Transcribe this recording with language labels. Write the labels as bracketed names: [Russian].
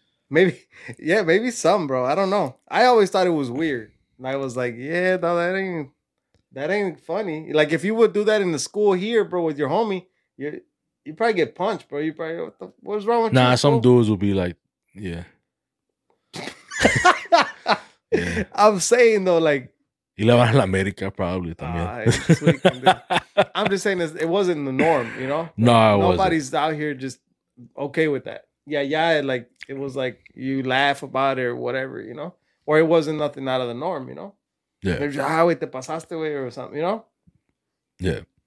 [English] Maybe some, bro. I don't know. I always thought it was weird. And I was like, That ain't funny. Like, if you would do that in the school here, bro, with your homie, You probably get punched, bro. You probably, what's wrong with you? Nah, some dudes will be like, yeah. Yeah. I'm saying though, like. [Spanish] Y le van a la América [English] probably [Spanish] también. [English] I'm just saying this, it wasn't the norm, you know? No, it wasn't. Nobody's out here just okay with that. Yeah, yeah, like it was like you laugh about it or whatever, you know? Or it wasn't nothing out of the norm, you know? Yeah. They're just, ah, wait, [Spanish] te pasaste, wey, [English] or something, you know? Yeah.